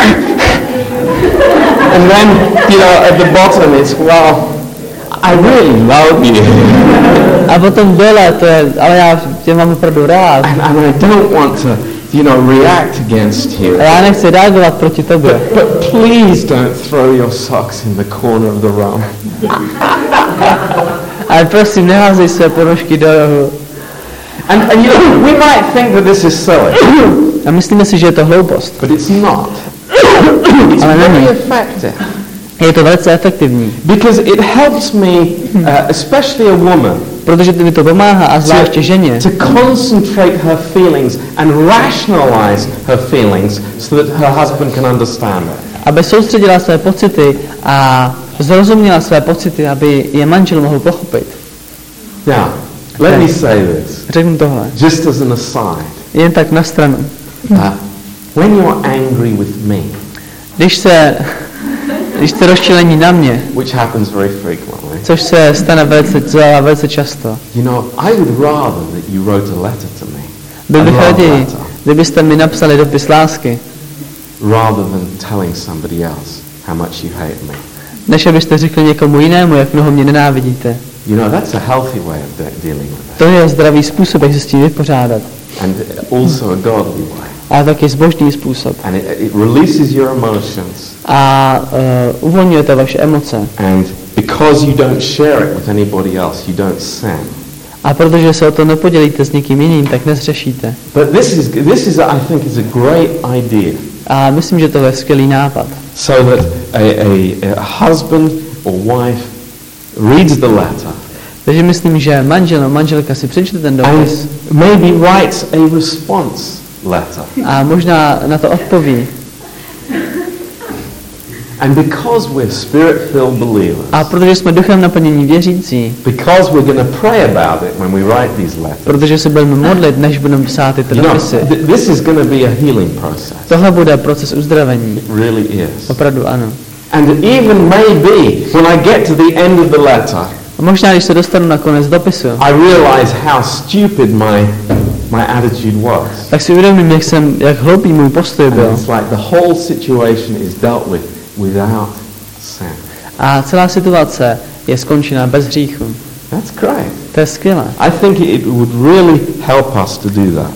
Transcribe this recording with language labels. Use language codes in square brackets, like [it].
[en] And then, you know, at the bottom it's, well, I really love you. [cs] A potom dole, to je, ale já tě mám opravdu rád. [en] And I don't want to, you know, react against you. [cs] A já nechci reagovat proti tobě. [en] But please don't throw your socks in the corner of the room. [cs] Ale prosím, neházej své ponožky do rohu. [en] And you know, we might think that this is silly. [cs] A myslíme si, že je to hloupost. [en] But it's not. It's [cs] ale není. [en] Very effective. [cs] Je to velice efektivní. [en] Because it helps me, especially a woman. [cs] Protože mi to pomáhá, a zvláště ženě. [en] To concentrate her feelings and rationalize her feelings so that her husband can understand it. [cs] Aby soustředila své pocity a zrozuměla své pocity, aby je manžel mohl pochopit. [en] Yeah, let me say this. [cs] Řeknu tohle. [en] Just as an aside. [cs] Jen tak na stranu. [en] When you're angry with me. [cs] Když jste rozčilení na mě. [en] Which happens very frequently. [cs] Což se stane velice často. [en] You know, I would rather that you wrote a letter to me. [cs] Bych raději, kdybyste mi napsali dopis lásky. [en] Rather than telling somebody else how much you hate me. [cs] Než abyste řekli někomu jinému, jak mnoho mě nenávidíte. [en] You know, that's a healthy way of dealing with it. [cs] To je zdravý způsob, jak se s tím vypořádat. [en] And also a godly way. [cs] A taky zbožný způsob. [en] And it releases your emotions. [cs] A uvolňujete vaše emoce. [en] And because you don't share it with anybody else, you don't sin. [cs] A protože se o to nepodělíte s někým jiným, tak nezřešíte. [en] But this is I think is a great idea. [cs] A myslím, že to je skvělý nápad. [en] So that a husband or wife reads the letter. [cs] Takže myslím, že manžel nebo manželka si přečte ten dopis. [en] Maybe writes a response letter. [cs] A možná na to odpoví. [en] And because we're spirit-filled believers. [cs] A protože jsme duchem naplnění věřící. [en] Because we're going to pray about it when we write these letters. [cs] Protože se budeme modlit, než budeme psát ty dopisy. [en] This is going to be a healing process. [cs] Tohle bude proces uzdravení. [en] It really is. [cs] Opravdu ano. [en] And even maybe when I get to the end of the letter. [cs] A možná, když se dostanu na konec dopisu. [en] I realize how stupid my attitude was. [cs] Tak si uvědomím, jak hloupý můj postoj byl. [en] It's like the whole situation is dealt with without sin. [cs] A celá situace je skončena bez hříchu. [en] That's great. [cs] To je skvělé. [en] I think it would really help us to do that.